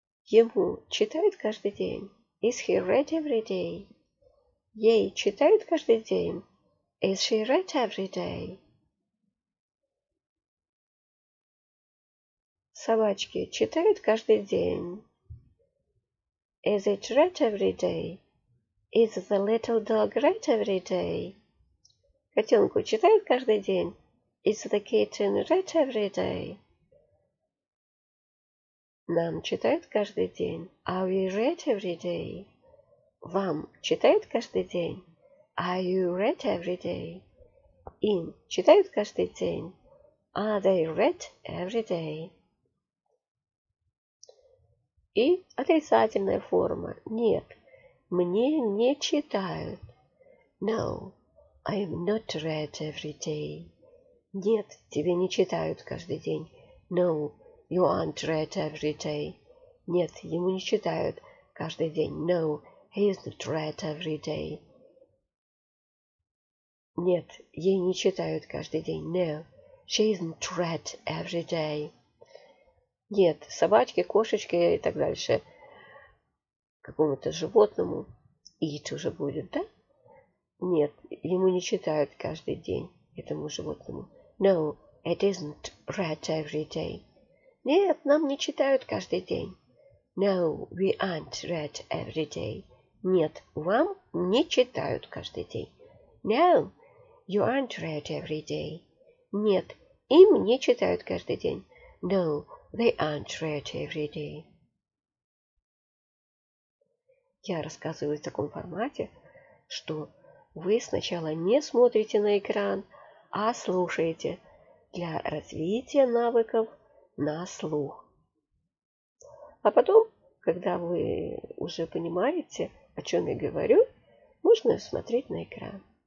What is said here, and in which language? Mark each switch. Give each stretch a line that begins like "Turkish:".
Russian: Ему читают каждый день?
English: Is he read every day?
Russian: Ей читают каждый день?
English: Is she read every day?
Russian: Собачки читают каждый день.
English: Is it read every day? Is the little dog read every day?
Russian: Котенку читают каждый день.
English: Is the kitten read every day?
Russian: Нам читают каждый день.
English: Are we read every day?
Russian: Вам читают каждый день.
English: Are you read every day?
Russian: Им читают каждый день.
English: Are they read every day?
Russian: И отрицательная форма. Нет, мне не читают.
English: No, I am not read every day.
Russian: Нет, тебе не читают каждый день.
English: No, you aren't read every day.
Russian: Нет, ему не читают каждый день.
English: No, he isn't read every day.
Russian: Нет, ей не читают каждый день.
English: No, she isn't read every day.
Russian: Нет, собачке, кошечке и так дальше. Какому-то животному. Eat уже будет, да? Нет, ему не читают каждый день, этому животному.
English: No, it isn't read every day.
Russian: Нет, нам не читают каждый день.
English: No, we aren't read every day.
Russian: Нет, вам не читают каждый день.
English: No, you aren't read every day.
Russian: Нет, им не читают каждый день.
English: No, they aren't read every day.
Russian: Я рассказываю в таком формате, что вы сначала не смотрите на экран, а слушаете для развития навыков на слух. А потом, когда вы уже понимаете, о чем я говорю, можно смотреть на экран.